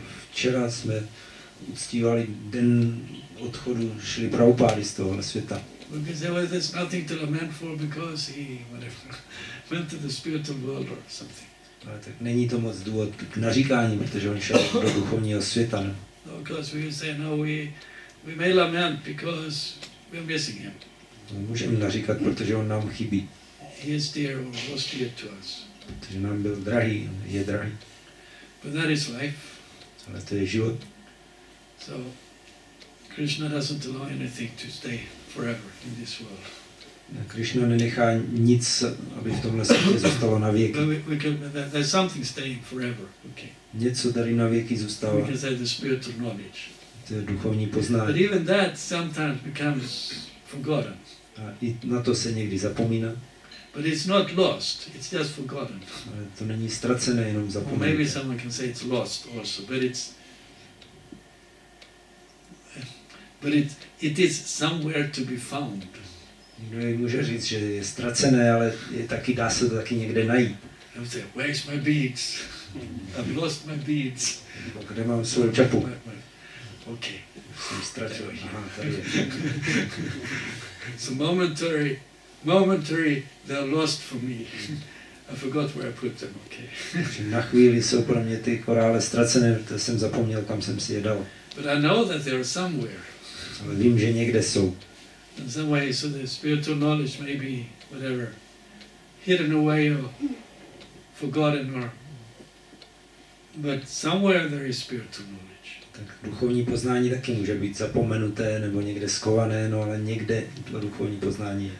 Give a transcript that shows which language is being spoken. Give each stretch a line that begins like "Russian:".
Czech: Včera jsme uctívali den odchodu Srila Prabhupády z tohohle světa.
English: Because there's nothing to lament for, because he whatever went to the spiritual world or something.
Czech: Ale tak není to moc důvod k naříkání, protože on šel do duchovního světa. Ne?
English: No, because we say no, we may lament because we're missing him.
Czech: No, můžeme naříkat, protože on nám chybí.
English: He is dear or was dear to us.
Czech: Protože nám byl drahý, je drahý.
English: But that is life.
Czech: Ale to je život.
English: So Krishna doesn't allow anything to stay forever in this world.
Czech: Krishna nenechá nic, aby v tomhle světě zůstalo na věky.
English: There's something staying forever. Okay.
Czech: Něco tady na věky zůstává.
English: Because there's the spiritual knowledge.
Czech: To je duchovní poznání.
English: But even that sometimes becomes forgotten.
Czech: A i na to se někdy zapomíná.
English: But it's not lost, it's just forgotten.
Czech: Ale to není ztracené, jenom zapomenuté.
English: Maybe someone can say it's lost also, but it is somewhere to be found.
Czech: Někdo může říct, že je ztracené, ale je taky, dá se to taky někde najít.
English: I would say, where's my beads? I've lost my beads.
Czech: Kde mám svou čapu?
English: Okay.
Czech: Jsem ztratil. Aha,
English: so momentary, they're lost for me. I forgot where I put them. Okay.
Czech: Na chvíli jsou pro mě ty korále ztracené, protože jsem zapomněl, kam jsem si je dal.
English: But I know that they are somewhere.
Czech: Ale vím, že někde jsou.
English: In some way, so the spiritual knowledge may be whatever hidden away or forgotten, or but somewhere there is spiritual knowledge.
Czech: Tak duchovní poznání taky může být zapomenuté nebo někde schované, no ale někde to duchovní poznání je.